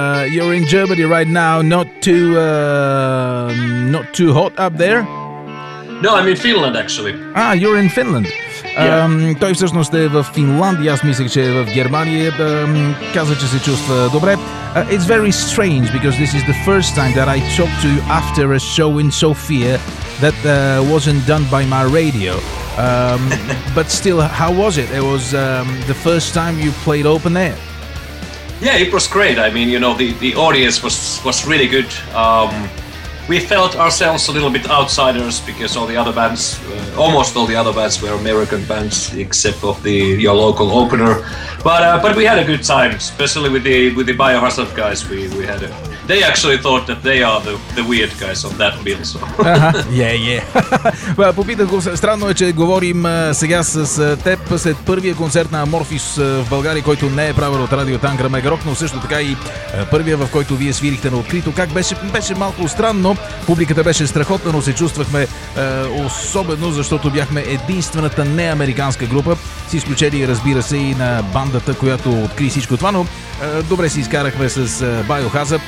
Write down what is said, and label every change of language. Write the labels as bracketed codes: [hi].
[en] You're in Germany right now. Not too hot up there? No, I'm in Finland, actually. Ah, you're in Finland. [bg] Той всъщност е в Финландия, аз мислех, че е в Германия, каза, че се чувства добре. [en] It's very strange, because this is the first time that I talked to you after a show in Sofia that wasn't done by my radio. but still, how was it? It was the first time you played open air. Yeah, it was great. I mean, you know, the audience was really good. We felt ourselves a little bit outsiders because all the other bands, almost all the other bands, were American bands, except of the your local opener. But we had a good time, especially with the Biohazard guys. We had a, they actually thought that they are the weird guys on that bill. So. Yeah. [bg] Попитах го, странно е, че говорим сега с теб след първия концерт на Аморфис в България, който не е правил от радио Танграм Егрок, но също така и първия, в който вие свирихте на открито. Как беше? Беше малко странно. Но публиката беше страхотна, но се чувствахме особено, защото бяхме единствената неамериканска група, с изключение, разбира се, и на бандата, която откри всичко това, но добре си изкарахме с Biohazard.